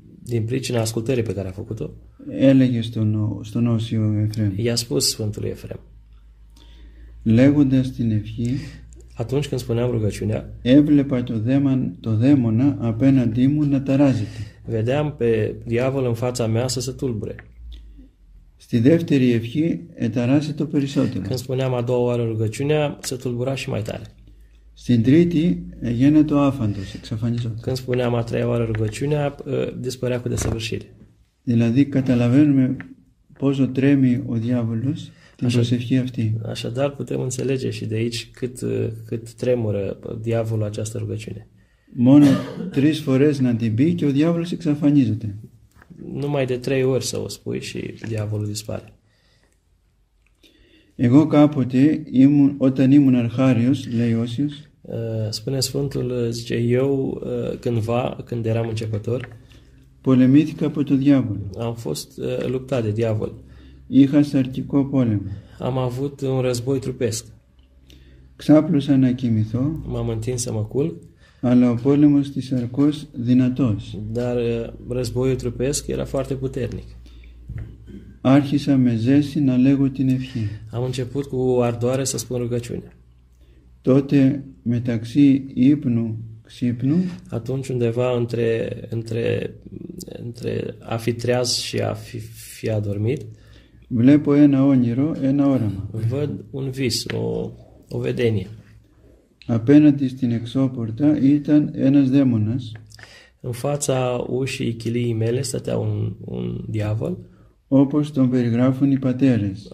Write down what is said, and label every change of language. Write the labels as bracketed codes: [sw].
[ro] din pricina ascultării pe care a făcut-o, [el] έλεγε στον Οσίο Εφραίμ. [ro] I-a spus Sfântului Efrem. [el] Λέγοντας την ευχή, [ro] atunci când spuneam rugăciunea, [el] έβλεπα το δαίμονα απέναντί μου να ταράζεται. [ro] Vedeam pe diavol în fața mea să se tulbure. [el] Στη δεύτερη ευχή εταράσε το περισσότερο. [ro] Când spuneam a doua oară rugăciunea, se tulbura și mai tare. [el] Στην τρίτη έγινε το άφαντος, εξαφανιζόταν. [ro] Când spuneam a treia oară rugăciunea, dispărea cu desăvârșire. [el] Δηλαδή καταλαβαίνουμε πόσο τρέμει ο διάβολος την προσευχή αυτή. [ro] Așadar putem înțelege și de aici cât tremură diavolul această rugăciune. [el] Μόνο τρεις φορές να την πει και ο διάβολος εξαφανίζεται. [ro] Numai de trei ori să o spui și diavolul dispare. [el] Εγώ κάποτε ήμουν, όταν ήμουν αρχάριος, λέει Όσιος, [ro] spune Sfântul, zice, eu cândva, când eram începător, [el] πολεμήθηκα από τον διάβολο. [ro] Am fost luptat de diavol. [el] Είχα σαρκικό πόλεμο. [ro] Am avut un război trupesc. [el] Ξάπλωσα να κοιμηθώ. [ro] M-am întins să mă culc. [el] Αλλά ο πόλεμος της σαρκός δυνατός. [ro] Dar războiul trupesc era foarte puternic. [el] Άρχισα με ζέση να λέγω την ευχή. [ro] Am început cu ardoare să spun rugăciunea. [el] Τότε μεταξύ ύπνου ξύπνου. [ro] Atunci undeva între a fi treaz și a fi adormit. [el] Βλέπω ένα όνειρο, ένα όραμα. [ro] Văd un vis, o vedenie. [el] Απέναντι στην εξώπορτα ήταν ένας δαίμονας. [ro] În fața ușii chiliei mele stătea un diavol. [el] Όπως τον περιγράφουν οι πατέρες.